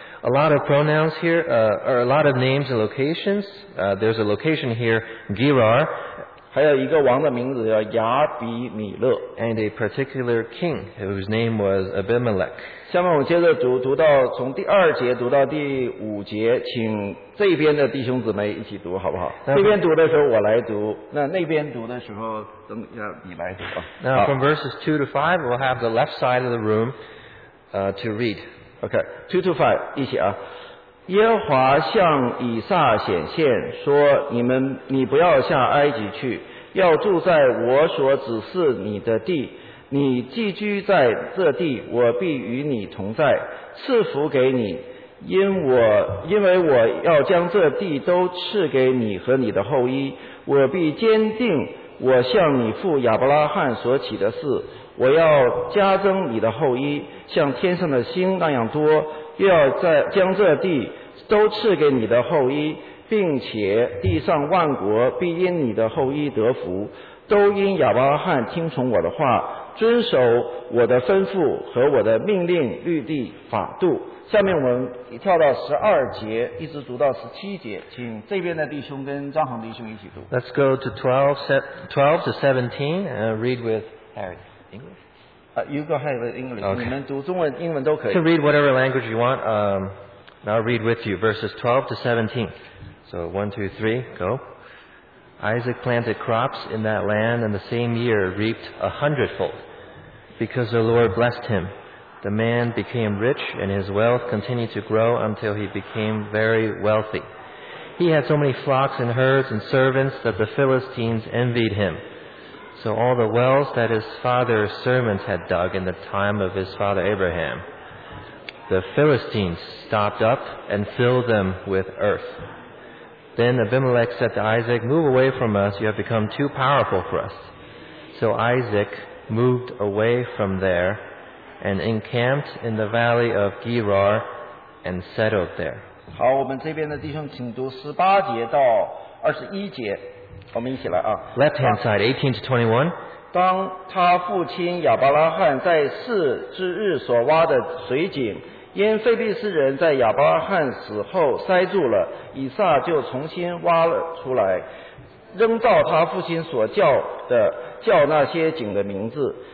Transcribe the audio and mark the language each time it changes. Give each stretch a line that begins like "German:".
English: A lot of pronouns here, or a lot of names and locations. There's a location here, Gerar.
Chinese: 还有一个王的名字叫亚比米勒。
English: And a particular king whose name was Abimelech.
Chinese: 下面我们接着读到从第二节读到第五节，请这边的弟兄姊妹一起读好不好？这边读的时候我来读，那边读的时候等一下你来读。
English: Now from verses 2 to 5, we'll have the left side of the room, to read. OK,
Chinese: 225, 一起啊。耶和华向以撒显现说，你不要下埃及去，要住在我所指示你的地，你寄居在这地，我必与你同在，赐福给你，因为我要将这地都赐给你和你的后裔，我必坚定我向你父亚伯拉罕所起的誓，我要加增你的后裔，像天上的星那样多，又要将这地都赐给你的后裔，并且地上万国必因你的后裔得福，都因亚伯拉罕听从我的话，遵守我的吩咐和我的命令、律例、法度。下面我们一跳到十二节，一直读到十七节，请这边的弟兄跟张恒弟兄一起读。
English: Let's go to 12 to 17, and read with Harry. English. You go ahead with English. Okay.
Chinese: 你们读中文、英文都可以。
English: To read whatever language you want. I'll read with you verses 12 to 17. So 1, 2, 3, go. Isaac planted crops in that land, and the same year reaped a hundredfold, because the Lord blessed him. The man became rich, and his wealth continued to grow until he became very wealthy. He had so many flocks and herds and servants that the Philistines envied him. So all the wells that his father's servants had dug in the time of his father Abraham, the Philistines stopped up and filled them with earth. Then Abimelech said to Isaac, Move away from us, you have become too powerful for us. So Isaac moved away from there and encamped in the valley of Gerar and settled there.
Chinese: 好，我们这边的弟兄请读十八节到二十一节，我们一起来啊。
English: Left hand side, 18 to 21.
Chinese: 当他父亲亚伯拉罕在世之日所挖的水井因非利士人在亚伯拉罕死后塞住了，以撒就重新挖了出来，扔到他父亲所叫那些井的名字。